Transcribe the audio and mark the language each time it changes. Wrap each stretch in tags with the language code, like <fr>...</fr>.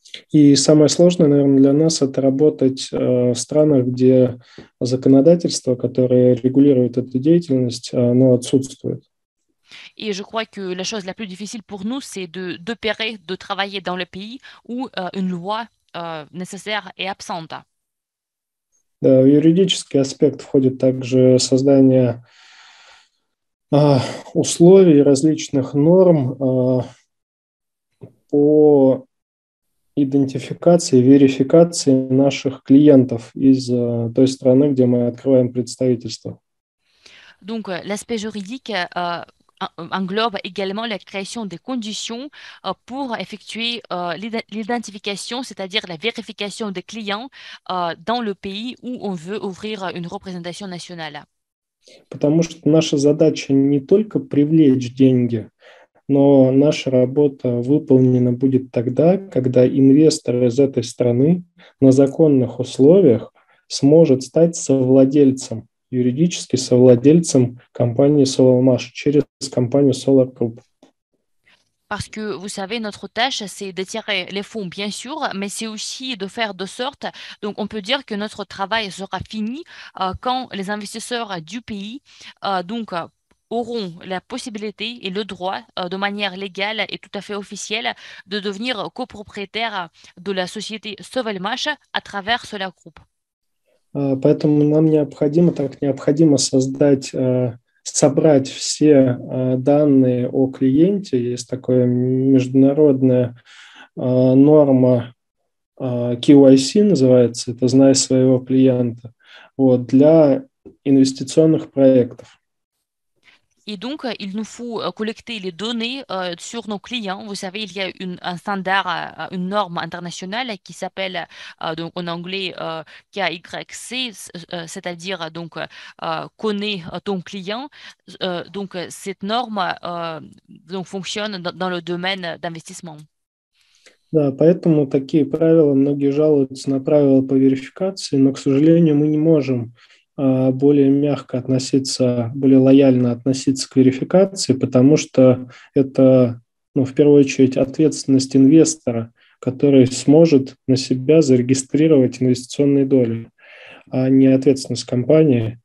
<ru>И самое сложное, наверное, для нас – это работать в странах, где законодательство, которое регулирует эту деятельность, оно отсутствует.</ru> <fr>Et je crois que la chose la plus difficile pour nous, c'est d'opérer, de travailler dans le pays où une loi nécessaire est absente.</fr> <ru>Да, в юридический аспект входит также создание условий, различных норм по идентификации, верификации наших клиентов из той страны, где мы открываем представительство.</ru> <fr>Donc, l'aspect juridique englobe également la création des conditions pour effectuer l'identification, c'est-à-dire la vérification des clients dans le pays où on veut ouvrir une représentation nationale.</fr> <ru>Потому что наша задача не только привлечь деньги, но наша работа выполнена будет тогда, когда инвестор из этой страны на законных условиях сможет стать совладельцем. Юридически совладельцем компании Solarmash через компанию Solar Group.</ru> <fr>Parce que vous savez, notre tâche, c'est d'attirer les fonds, bien sûr, mais c'est aussi de faire de sorte, donc on peut dire que notre travail sera fini quand les investisseurs du pays donc, auront la possibilité et le droit, de manière légale et tout à fait officielle, de devenir copropriétaire de la société Solarmash à travers Solar Group.</fr> <ru>Поэтому нам необходимо, так необходимо создать, собрать все данные о клиенте. Есть такая международная норма KYC, называется, это «Знай своего клиента», вот, для инвестиционных проектов.</ru> <fr>Et donc, il nous faut collecter les données sur nos clients. Vous savez, il y a un standard, une norme internationale qui s'appelle donc en anglais KYC, c'est-à-dire donc connaître ton client. Donc, cette norme donc, fonctionne dans le domaine d'investissement.</fr> <ru>Да, поэтому такие правила, многие жалуются на правила по верификации, но, к сожалению, мы не можем более мягко относиться, более лояльно относиться к верификации, потому что это, ну, в первую очередь, ответственность инвестора, который сможет на себя зарегистрировать инвестиционные доли, а не ответственность компании.</ru>